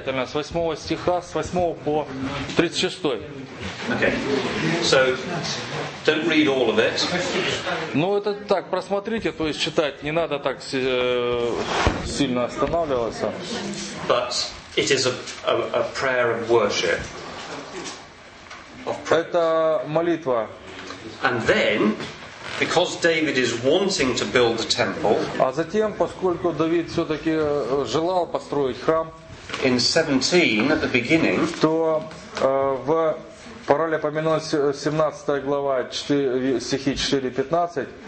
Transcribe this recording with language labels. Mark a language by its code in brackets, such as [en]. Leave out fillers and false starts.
[ru] С восьмого стиха, с восьмого по тридцать шестой. [en] Okay. So don't read all of it. [ru] Ну это так, просмотрите, то есть читать не надо так сильно останавливаться. [en] But it is a prayer of worship. [ru] Это молитва. [en] And then, because David is wanting to build the temple, [ru] а затем, поскольку Давид все-таки желал построить храм, [en] in 17 at the beginning, [ru] то в Паралипоменон 17 глава, стихи 4-15,